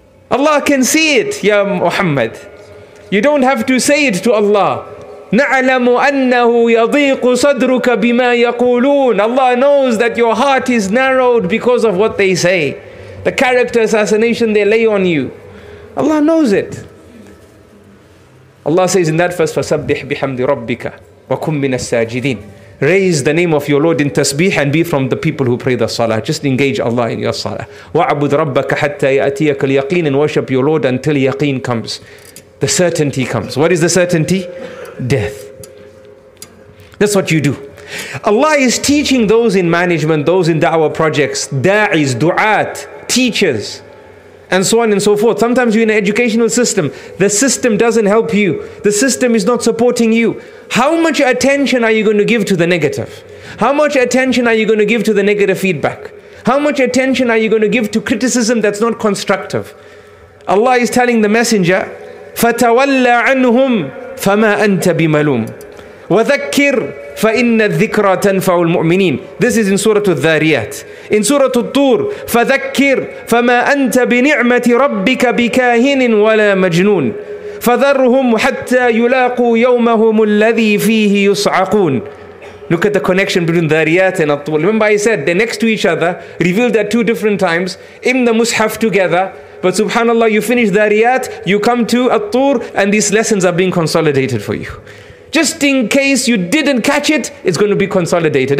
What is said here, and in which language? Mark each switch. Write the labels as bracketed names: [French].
[English] Allah can see it, Ya Muhammad. You don't have to say it to Allah. [Arabic] نَعْلَمُ أَنَّهُ يَضِيقُ صَدْرُكَ بِمَا يَقُولُونَ. [English] Allah knows that your heart is narrowed because of what they say. The character assassination they lay on you. Allah knows it. Allah says in that verse, [Arabic] فَسَبِّحْ بِحَمْدِ رَبِّكَ وَكُمْ مِنَ السَّاجِدِينَ. [English] Raise the name of your Lord in tasbih and be from the people who pray the salah. Just engage Allah in your salah. [Arabic] وَعْبُدْ رَبَّكَ حَتَّى يَأْتِيَكَ الْيَقِينَ. [English] And worship your Lord until yaqeen comes. The certainty comes. What is the certainty? Death. That's what you do. Allah is teaching those in management, those in da'wah projects, da'is, du'at, teachers, and so on and so forth. Sometimes you're in an educational system. The system doesn't help you. The system is not supporting you. How much attention are you going to give to the negative? How much attention are you going to give to the negative feedback? How much attention are you going to give to criticism that's not constructive? Allah is telling the messenger, [Arabic] فَتَوَلَّى عَنْهُمْ فَمَا أَنْتَ بِمَلُومٍ وَذَكِّرْ فَإِنَّ الذِّكْرَى تَنْفَعُ الْمُؤْمِنِينَ. [English] This is in Surah Al-Dhariyat. [Arabic] In Surah Al-Tur, فَذَكِّرْ فَمَا أَنْتَ بِنِعْمَةِ رَبِّكَ بِكَاهِنٍ وَلَا مَجْنُونٍ فَذَرْهُمْ حَتَّى يُلَاقُوا يَوْمَهُمُ الَّذِي فِيهِ يُصْعَقُونَ. [English] Look at the connection between Dhariyat and Al-Tur. Remember I said they're next to each other, revealed at two different times, in the Mus'haf together. But subhanAllah, you finish Dariyat, you come to At-Tur, and these lessons are being consolidated for you. Just in case you didn't catch it, it's going to be consolidated.